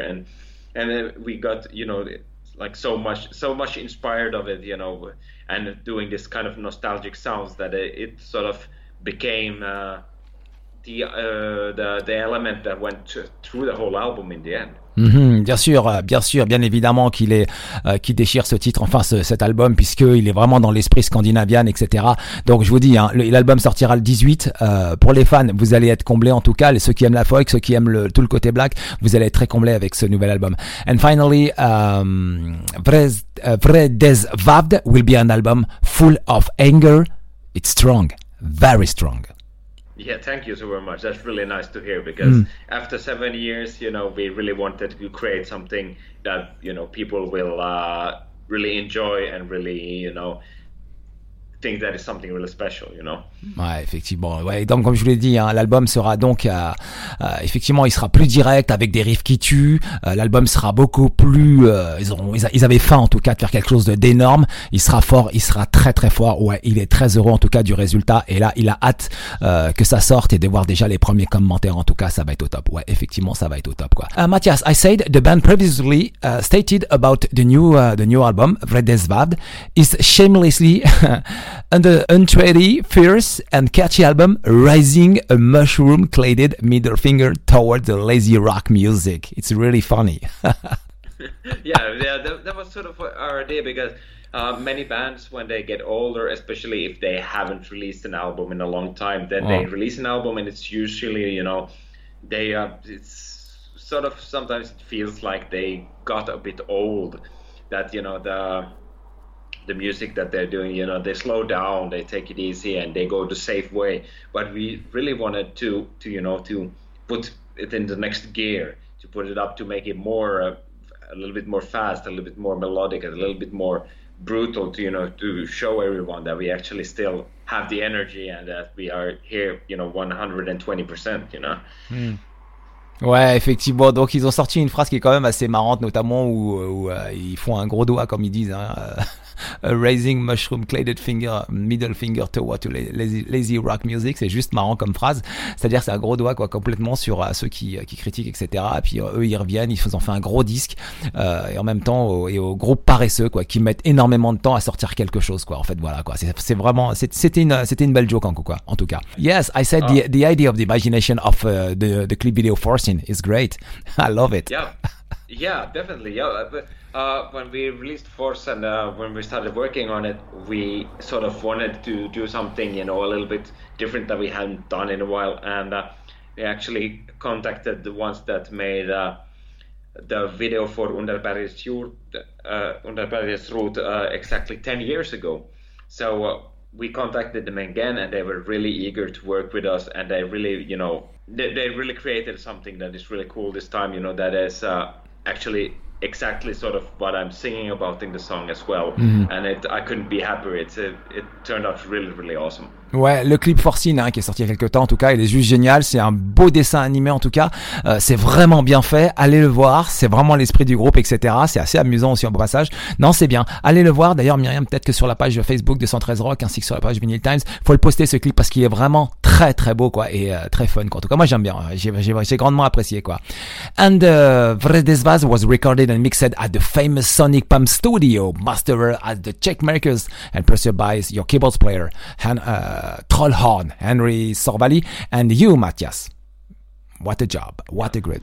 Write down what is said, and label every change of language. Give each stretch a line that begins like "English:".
English: And then we got, you know, like so much inspired of it, you know, and doing this kind of nostalgic sounds that it sort of became the element that went through the whole album in the end. Mm-hmm.
French: Bien sûr, bien évidemment qu'il est qui déchire ce titre, enfin cet album, puisque il est vraiment dans l'esprit scandinavian, etc. Donc je vous dis, hein, l'album sortira le 18. Pour les fans, vous allez être comblés, en tout cas, ceux qui aiment la folk, ceux qui aiment tout le côté black, vous allez être très comblés avec ce nouvel album.
English: And finally, Vredesvavd will be an album full of anger. It's strong, very strong. Yeah, thank you so very much. That's really nice to hear, because after 7 years, you know, we really wanted to create something that, you know, people will really enjoy and really, you know, think that is something really special, you know.
French: Ouais, effectivement. Ouais, donc comme je vous l'ai dit, hein, l'album sera donc effectivement, il sera plus direct avec des riffs qui tuent. L'album sera beaucoup plus ils avaient faim en tout cas de faire quelque chose d'énorme. Il sera fort, il sera très très fort. Ouais, il est très heureux en tout cas du résultat, et là, il a hâte que ça sorte et de voir déjà les premiers commentaires. En tout cas, ça va être au top. Ouais, effectivement, ça va être au top, quoi.
English: Mathias, I said the band previously stated about the new album Vredesvavd is shamelessly and untrady, fierce and catchy album raising a mushroom cladded middle finger towards the lazy rock music. It's really funny. yeah, that was sort of our idea, because many bands, when they get older, especially if they haven't released an album in a long time, then they release an album, and it's usually, you know, they it's sort of, sometimes it feels like they got a bit old, that, you know, the music that they're doing, you know, they slow down, they take it easy, and they go the safe way. But we really wanted to you know, to put it in the next gear, to put it up, to make it more, a little bit more fast, a little bit more melodic, a little bit more brutal, to, you know, to show everyone that we actually still have the energy and that we are here, you know, 120%, you know.
French: Mm. Ouais, effectivement. Donc ils ont sorti une phrase qui est quand même assez marrante, notamment où ils font un gros doigt, comme ils disent, hein.
English: A raising mushroom cladded finger, middle finger toward to lazy rock music.
French: C'est juste marrant comme phrase. C'est-à-dire, c'est un gros doigt, quoi, complètement sur ceux qui critiquent, etc. Et puis eux, ils reviennent, ils ont fait un gros disque, et en même temps, au groupe paresseux, quoi, qui mettent énormément de temps à sortir quelque chose, quoi. En fait, voilà, quoi. C'était une belle joke, quoi. En tout cas.
English: Yes, I said the idea of the imagination of the clip video forcing is great. I love it. Yeah, definitely. Yeah. When we released Force and when we started working on it, we sort of wanted to do something, you know, a little bit different that we hadn't done in a while. And we actually contacted the ones that made the video for Underbergsrot exactly 10 years ago. So we contacted them again, and they were really eager to work with us. And they really, you know, they really created something that is really cool this time, you know, that is actually exactly sort of what I'm singing about in the song as well. And I couldn't be happier. It turned out really, really awesome.
French: Ouais, le clip Forcine, hein, qui est sorti il y a quelques temps, en tout cas, il est juste génial. C'est un beau dessin animé, en tout cas. C'est vraiment bien fait. Allez le voir. C'est vraiment l'esprit du groupe, etc. C'est assez amusant aussi, au passage. Non, c'est bien. Allez le voir. D'ailleurs, Myriam, peut-être que sur la page Facebook de 113 Rock, ainsi que sur la page Vinyl Times, faut le poster, ce clip, parce qu'il est vraiment très, très beau, quoi, et très fun, quoi. En tout cas, moi, j'aime bien. J'ai grandement apprécié, quoi.
English: And Vredesvavd was recorded and mixed at the famous Sonic Pump Studio, mastered at the Czech Makers and produced by your keyboard player, Trollhorn, Henry Sorvali, and you, Mathias. What a job. What a great